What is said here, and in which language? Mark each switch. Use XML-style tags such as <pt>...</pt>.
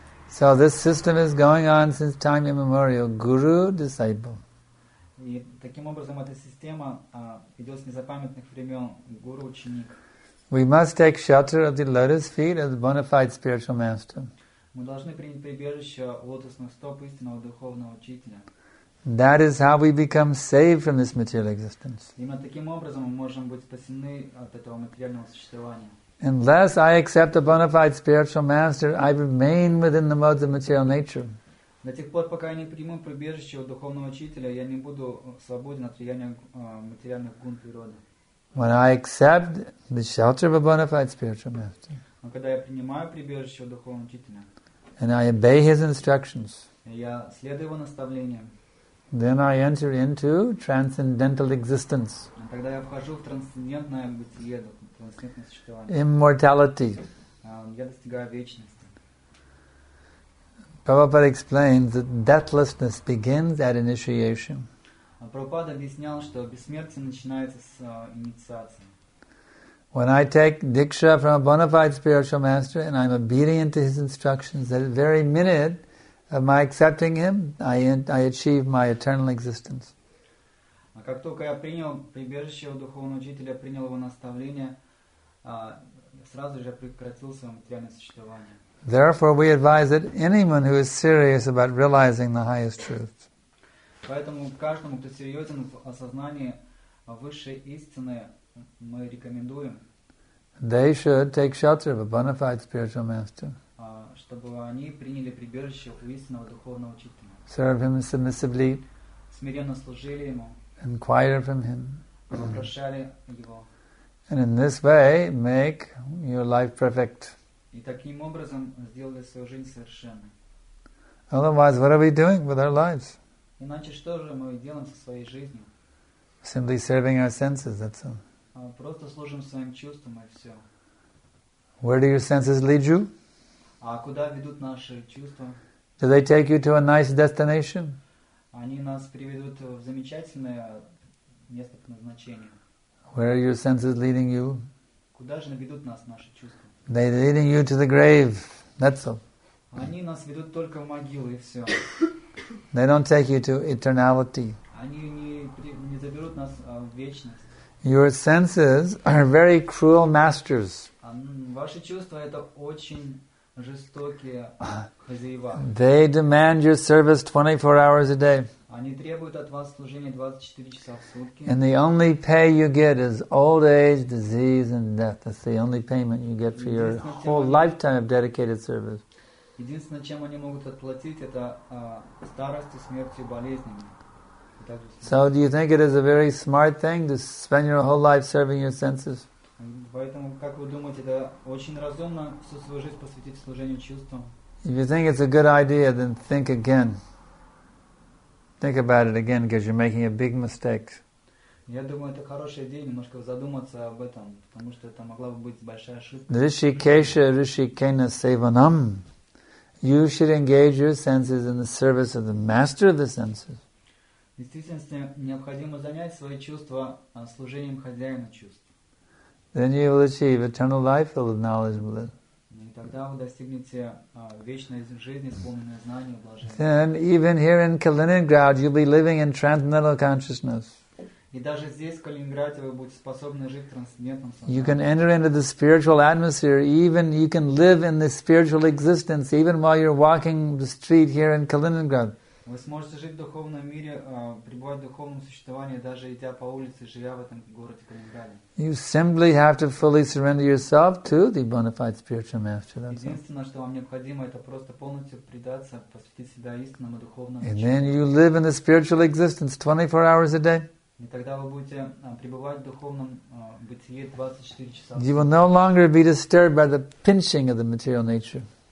<en>So this system is going on since time immemorial. Guru, disciple.</en> <ru>И таким образом эта система идет с незапамятных времен. Guru, ученик.</ru> <en>We must take shelter of the lotus feet as bona fide spiritual master.</en> <ru>Мы должны принять прибежище лотосных стоп истинного духовного учителя.</ru> <en>That is how we become saved from this material existence.</en> <ru>Именно таким образом мы можем быть спасены от этого материального существования.</ru> <en>Unless I accept a bona fide spiritual master, I remain within the modes of material nature.</en> <ru>До тех пор, пока я не приму прибежище у духовного учителя, я не буду свободен от влияния материальных гун природы.</ru> <en>When I accept the shelter of a bona fide spiritual master,</en> <ru>но когда я принимаю прибежище у духовного учителя,</ru> <en>and I obey his instructions,</en> <ru>я следую его наставлениям,</ru> <en>then I enter into transcendental existence.</en> <ru>Тогда я вхожу в трансцендентное бытие, трансцендентное существование.</ru> <en>Immortality.</en> <ru>Я достигаю вечности.</ru> <en>Prabhupada explains that deathlessness begins at initiation.</en> <ru>Прабхупада объяснял, что бессмертие начинается с инициации.</ru> <en>When I take diksha from a bona fide spiritual master and I'm obedient to his instructions, that very minute of my accepting him, I achieve my eternal existence.</en> <ru>А как только я принял прибежище у духовного учителя, принял его наставление, сразу же прекратил свое материальное существование.</ru> <en>Therefore, we advise that anyone who is serious about realizing the highest truth.</en> <ru>Поэтому каждому, кто серьезен в осознании высшей истины, мы рекомендуем.</ru> <en>They should take shelter of a bona fide spiritual master.</en> <ru>Чтобы они приняли прибежище у истинного духовного учителя.</ru> <en>Serve him submissively.</en> <ru>Смиренно служили ему.</ru> <en>Inquire from him.</en> <ru>Вопрошали его.</ru> <en>And in this way, make your life perfect.</en> <ru>И таким образом сделали свою жизнь совершенной.</ru> <en>Otherwise, what are we doing with our lives?</en> <ru>Иначе что же мы делаем со своей жизнью?</ru> <en>Simply serving our senses, that's all.</en> <ru>Просто служим своим чувствам, и все.</ru> <en>Where do your senses lead you?</en> <ru>А куда ведут наши чувства?</ru> <en>Do they take you to a nice destination?</en> <ru>Они нас приведут в замечательное место назначения.</ru> <en>Where are your senses leading you?</en> <ru>Куда же наведут нас наши чувства?</ru> <en>They're leading you to the grave. That's all.</en> <ru>Они нас ведут только в могилу и все.</ru> <en>They don't take you to eternality.</en> <ru>Они не заберут нас в вечность.</ru> <en>Your senses are very cruel masters.</en> <ru>Ваши чувства это очень жестокие хозяева.</ru> <en>They demand your service 24 hours a day.</en> <ru>Они требуют от вас служения 24 часа в сутки.</ru> <en>And the only pay you get is old age, disease and death. That's the only payment you get for your whole lifetime of dedicated service.</en> <ru>Единственное, чем они могут отплатить, это старость и смертью, болезнями.</ru> <en>So do you think it is a very smart thing to spend your whole life serving your senses?</en> <ru>Поэтому, как вы думаете, это очень разумно всю свою жизнь посвятить служению чувствам?</ru> <en>If you think it's a good idea, then think again. Think about it again, because you're making a big mistake.</en> <ru>Я думаю, это хорошая идея немножко задуматься об этом, потому что это могла бы быть большая ошибка.</ru> <sa>Ришикеша, Ришикена Севанам.</sa> <en>You should engage your senses in the service of the master of the senses.</en> <ru>Действительно, необходимо занять свои чувства служением хозяина чувств.</ru> <en>Then you will achieve eternal life filled with knowledge and bliss.</en> <ru>И тогда вы достигнете вечной жизни, исполненной знания и блаженства.</ru> <en>Then even here in Kaliningrad, you'll be living in transcendental consciousness.</en> <ru>И даже здесь, в Калининграде, вы будете способны жить в трансцендентном сознании.</ru> <en>You can enter into the spiritual atmosphere, even you can live in the spiritual existence, even while you're walking the street here in Kaliningrad.</en> <ru>Вы сможете жить в духовном мире, пребывать в духовном существовании, даже идя по улице, живя в этом городе Калининграде.</ru> <en>You simply have to fully surrender yourself to the bona fide spiritual master.</en> <ru>Единственное, что вам необходимо, это просто полностью предаться, посвятить себя истинному духовному.</ru> <en>And then you live in the spiritual existence 24 hours a day.</en> <ru>И тогда вы будете пребывать в духовном бытии 24 часа.</ru> <en>You will no longer be disturbed by the pinching of the material nature.</en>